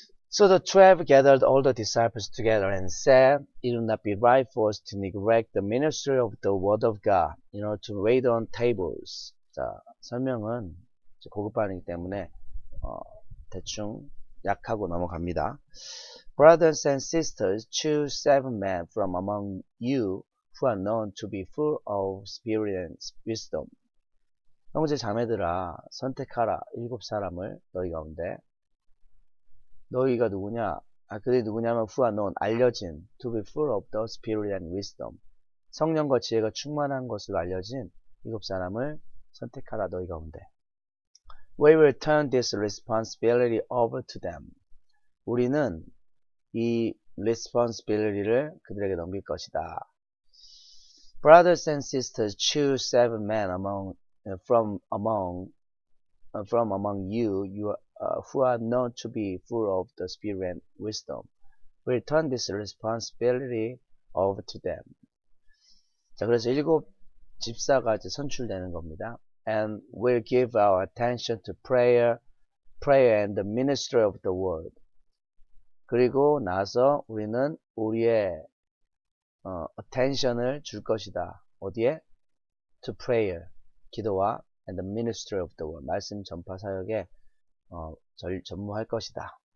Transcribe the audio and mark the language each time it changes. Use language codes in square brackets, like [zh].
[en] So the 12 gathered all the disciples together and said, it would not be right for us to neglect the ministry of the word of God, you know, to wait on tables. [ko] 자, 설명은 고급 반응이기 때문에 대충 약하고 넘어갑니다. [en] Brothers and sisters, choose 7 men from among you who are known to be full of spirit and wisdom. [ko] 형제 자매들아, 선택하라 일곱 사람을 너희 가운데. 너희가 누구냐? 아, 그들이 누구냐면 [en] who are known, [ko] 알려진, [en] to be full of the spirit and wisdom, [ko] 성령과 지혜가 충만한 것으로 알려진 일곱 사람을 선택하라 너희 가운데. [en] We will turn this responsibility over to them. [ko] 우리는 이 responsibility를 그들에게 넘길 것이다. [en] Brothers and sisters, choose 7 men from among you who are known to be full of the spirit and wisdom. We'll turn this responsibility over to them. [ko] 자, 그래서 일곱 집사가 이제 선출되는 겁니다. [en] And we'll give our attention to prayer and the ministry of the word. [ko] 그리고 나서 우리는 우리의 attention을 줄 것이다. 어디에? [en] To prayer, [ko] 기도와 [en] and the ministry of the word, [ko] 말씀 전파 사역에 전무할 것이다.